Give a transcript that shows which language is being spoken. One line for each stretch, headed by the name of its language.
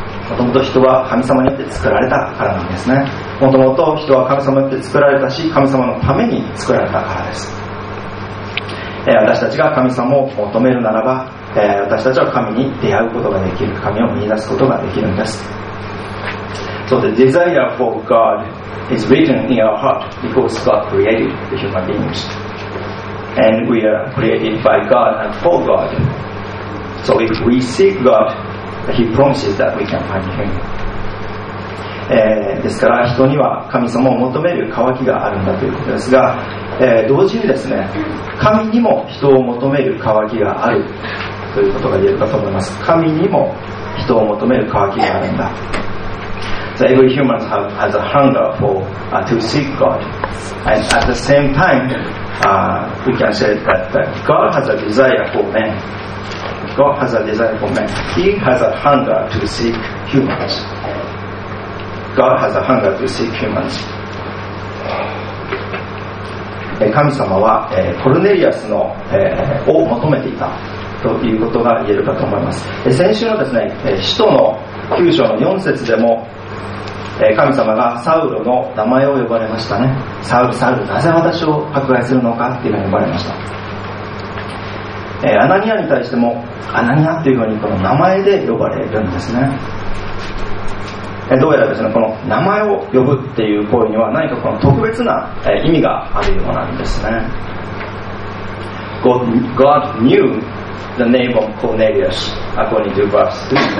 Japanese: もともと人は神様によって作られたからなんですね。もともと人は神様によって作られたし、神様のために作られたからです。私たちが神様を求めるならば、私たちは神に出会うことができる、神を見出すことができるんです。
English: So the desire for God is written in our heart because God created the human beings. And we are created by God and for God. So if we seek God, He promises that we can find Him.
Japanese: ですから人には神様を求める渇きがあるんだということですが、同時にですね、神にも人を求める渇きがあるということが言えるかと思います。神にも人を求める渇きがあるんだ。
English: So every human has a hunger for, to seek God. And at the same time, we can say that, God has a desire for men. God has a desire for men. He has a hunger to seek humans. God has a hunger to seek humans.
Japanese: 神様は、コルネリアスの、を求めていたということが言えるかと思います。先週のですね、使徒の9章の4節でも、神様がサウロの名前を呼ばれましたね。サウル、サウル、なぜ私を迫害するのかっていうふうに呼ばれました。アナニアに対してもアナニアというふうにこの名前で呼ばれるんですね。どうやらですね、この名前を呼ぶっていう行為には何かこの特別な意味があるようなんですね。
English: God knew the name of Cornelius according to verse 2.